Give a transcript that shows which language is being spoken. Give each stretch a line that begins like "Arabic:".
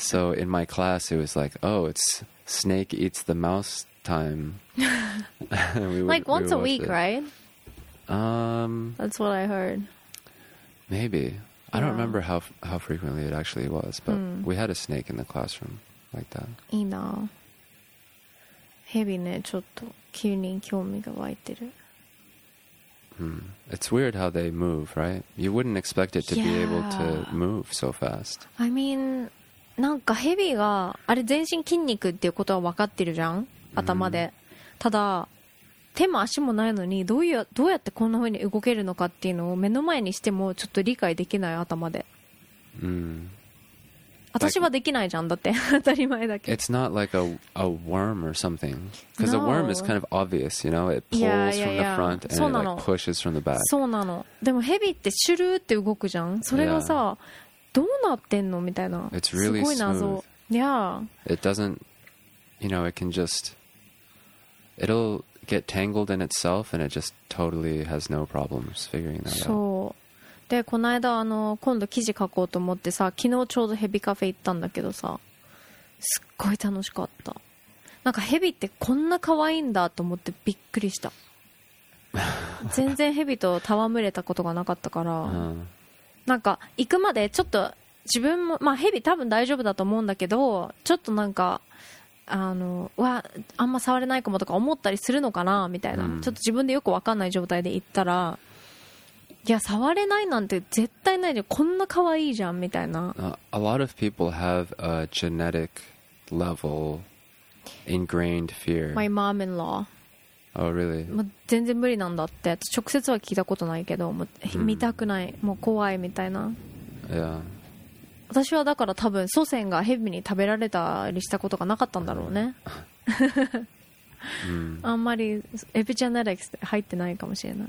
English: So in my class, it was like, oh, it's snake eats the mouse time. once a week, right? That's what I heard. Maybe. Yeah. I don't remember how frequently it actually was, but we had a snake in the classroom like that. You know.
Japanese: ヘビね、ちょっと急に興味が湧いてる。
English: It's weird how they move, right? You wouldn't expect it to be able to move so fast. I mean,
Japanese: なんかヘビがあれ全身筋肉っていうことは分かってるじゃん、頭で。ただ手も足もないのにどうやってこんな風に動けるのかっていうのを目の前にしてもちょっと理解できない、頭で。私はできないじゃん、だって当たり前だけど。
English: It's not like a worm or something. Because a worm is kind of obvious, you know? It pulls from the front and it like pushes from the back.
Japanese: そうなの。でもヘビってシュルーって動くじゃん。それがさ、どうなってんのみたいな。
English: It's really
Japanese: すごい謎。
English: Smooth. Yeah. It doesn't, you know, it can just, it'll get tangled in itself and it just totally has no problems figuring that out.
Japanese: そう。でこの間今度記事書こうと思ってさ、昨日ちょうどヘビカフェ行ったんだけどさ、すっごい楽しかった。なんかヘビってこんな可愛いんだと思ってびっくりした。全然ヘビと戯れたことがなかったから。なんか行くまでちょっと自分もまあヘビ多分大丈夫だと思うんだけど、ちょっとなんかわあんま触れないかもとか思ったりするのかなみたいな、ちょっと自分でよく分かんない状態で行ったら、いや触れないなんて絶対ないじゃん、こんな可愛いじゃんみたいな。
English: A lot of people have a genetic level ingrained fear. My mom-in-law. Oh, really?
Japanese: もう全然無理なんだって。直接は聞いたことないけど、もう見たくない、もう怖いみたいな。
English: Yeah.
Japanese: 私はだから多分祖先がヘビに食べられたりしたことがなかったんだろうね。あんまりエピジェネティクスで入ってないかもしれない。